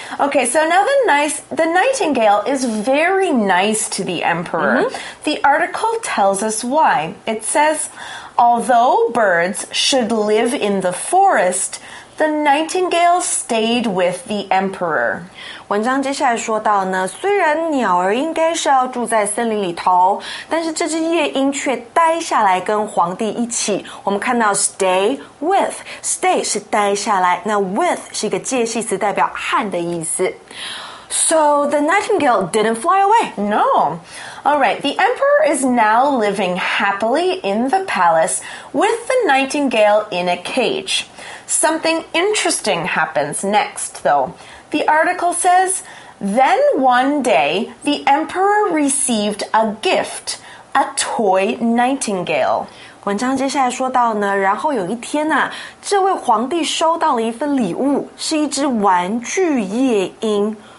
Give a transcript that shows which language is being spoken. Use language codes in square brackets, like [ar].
[en] Okay, so now the nightingale is very nice to the emperor. Mm-hmm. The article tells us why. It says, although birds should live in the forest, the nightingale stayed with the emperor. [zh] 文章接下来说到呢，虽然鸟儿应该是要住在森林里头，但是这只夜莺却待下来跟皇帝一起。我们看到 stay with， stay 是待下来，那 with 是一个介系词，代表和的意思。 [en] So the nightingale didn't fly away. No. All right, the emperor is now living happily in the palace with the nightingale in a cage. Something interesting happens next, though. The article says, then one day, the emperor received a gift, a toy nightingale. [zh] 文章接下来说到呢，然后有一天呢，这位皇帝收到了一份礼物，是一只玩具夜莺。